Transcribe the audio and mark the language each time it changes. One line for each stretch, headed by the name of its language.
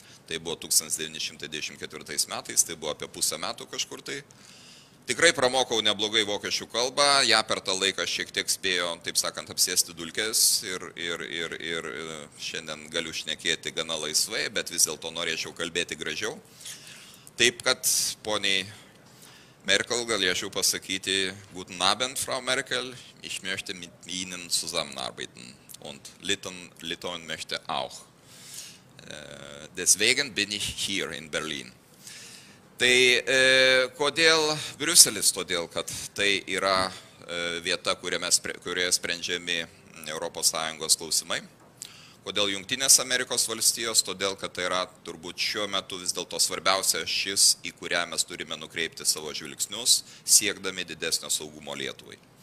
Lithuanian: Tai buvo 1994 metais, tai buvo apie 1,5 metų kažkur tai. Tikrai pramokau neblogai vokiečių kalbą, ją per tą laiką šiek tiek spėjo, taip sakant, apsėsti dulkės ir šiandien galiu šnekėti gana laisvai, bet vis dėlto norėčiau kalbėti gražiau. Taip, kad poniai Merkel galėčiau pasakyti
German: Guten Abend, Frau Merkel, ich möchte mit Ihnen zusammenarbeiten und Litauen möchte auch. Deswegen bin ich hier in Berlin.
Lithuanian: Tai kodėl Briuselis? Todėl, kad tai yra vieta, kurioje sprendžiami ES klausimai. Kodėl Jungtinės Amerikos valstijos? Todėl, kad tai yra turbūt šiuo metu vis dėlto svarbiausia šis, į kurią mes turime nukreipti savo žvilgsnius, siekdami didesnio saugumo Lietuvai.